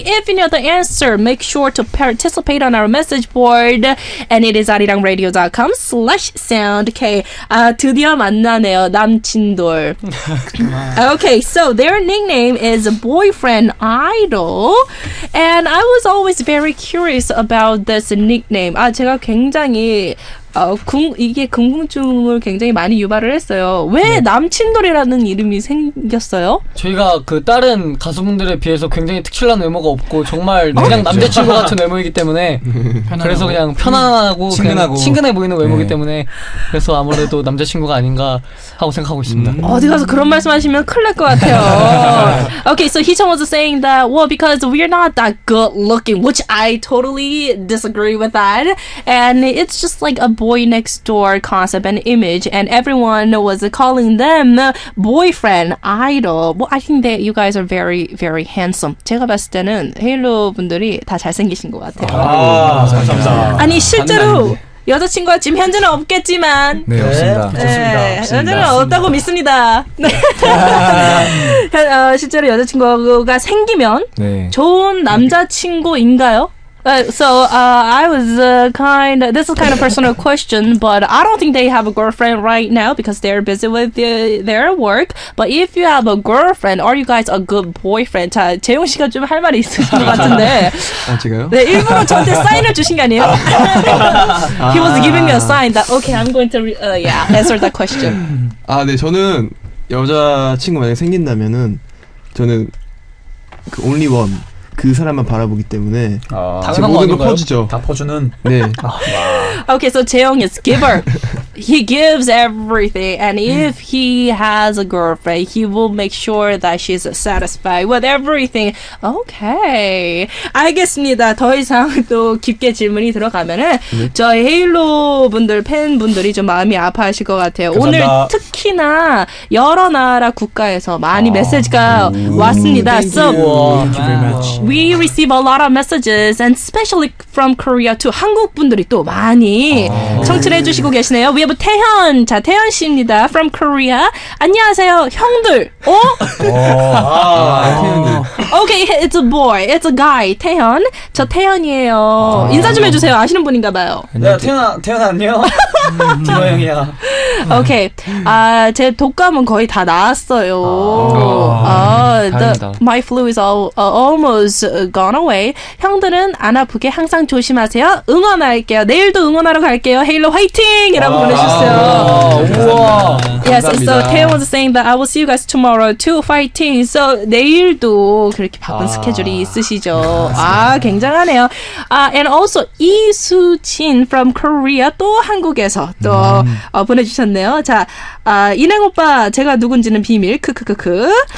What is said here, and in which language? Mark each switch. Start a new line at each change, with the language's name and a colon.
English: If you know the answer, make sure to participate on our message board. And it is arirangradio.com/soundk.
Korean: 아, 드디어 만나네요.
English: 남친돌. Okay, so their nickname is Boyfriend Idol. And I was always very curious about this nickname.
Korean: 아, 제가 굉장히 이게 궁금증을 굉장히 많이 유발을 했어요. 왜 네. 남친돌이라는 이름이 생겼어요? 저희가 그 다른 가수분들에 비해서 굉장히 특출난 외모가 없고 정말 네, 그냥 그렇죠. 남자친구 같은 외모이기 때문에 그래서 그냥 편안하고 친근하고 친근해 보이는 외모이기 네. 때문에 그래서 아무래도 남자친구가 아닌가 하고 생각하고 있습니다. 어디 가서 그런 말씀하시면 큰일 날 것 같아요.
English: Okay, so Hee-chan was saying that, well, because we're not that good looking, which I totally disagree with that, and it's just like a boy next door concept and image, and everyone was calling them boyfriend idol. Well, I think that you guys are very, very handsome.
Korean: 제가 봤을 때는 헤일로 분들이 다 잘생기신 것 같아요. 아, 감사합니다. 아니 실제로 여자친구가 지금 현재는 없겠지만 네, 네. 없습니다. 네. 없습니다. 현재는 없다고 믿습니다. 실제로 여자친구가 생기면 네. 좋은 남자친구인가요?
English: So I was kind of, this is kind of a personal question, but I don't think they have a girlfriend right now because they're busy with their work. But if you have a girlfriend, are you guys a good boyfriend?
Korean: 자, 재용 씨가 좀 할 말이 있으신 것 같은데. 아, 제가요? 네, 일부러 저한테 사인을 주신 게 아니에요.
English: He was giving me a sign that, okay, I'm going to yeah, answer that question.
Korean: 아, 네, 저는 여자친구 만약에 생긴다면은 저는 그
English: only one.
Korean: 그 사람만 바라보기 때문에 제 모든 걸 퍼주죠. 다 퍼주는. 네.
English: 아, okay, so Jaehyung is giver. He gives everything, and if he has a girlfriend, he will make sure that she's satisfied with everything.
Korean: Okay. 알겠습니다. 더 이상 또 깊게 질문이 들어가면은 네. 저희 헤일로 분들 팬분들이 좀 마음이 아파하실 것 같아요. 감사합니다. 오늘 특히나 여러 나라 국가에서 많이 메시지가 왔습니다.
English: Thank you. So, thank you very much. We receive a lot of messages, and especially from Korea too.
Korean: 한국 분들이 또 많이 청취를 해주시고 계시네요.
English: We have
Korean: 태현. 자, 태현 씨입니다.
English: From Korea.
Korean: 안녕하세요, 형들. 어? 태현들.
English: Okay, it's a boy. It's a guy.
Korean: 태현. 저 태현이에요. 인사 좀 해주세요. 아시는 분인가 봐요. 야, 태현아, 태현아, 안녕. 디노 형이야.
English: Okay.
Korean: 아, 제 독감은 거의 다 나았어요. 다행이다.
English: My flu is almost gone away.
Korean: 형들은 안 아프게 항상 조심하세요. 응원할게요. 내일도 응원하러 갈게요. 헤일로 화이팅! 이라고 보내주셨어요. 우와. 감사합니다.
English: Yes, so Taehyung was saying that I will see you guys tomorrow too. Fighting.
Korean: So 내일도 그렇게 바쁜 스케줄이 있으시죠. 아, 굉장하네요.
English: And also
Korean: 이수진
English: from Korea
Korean: 또 한국에서 또 보내주셨네요. 자, 인행 오빠 제가 누군지는 비밀. 크크크크.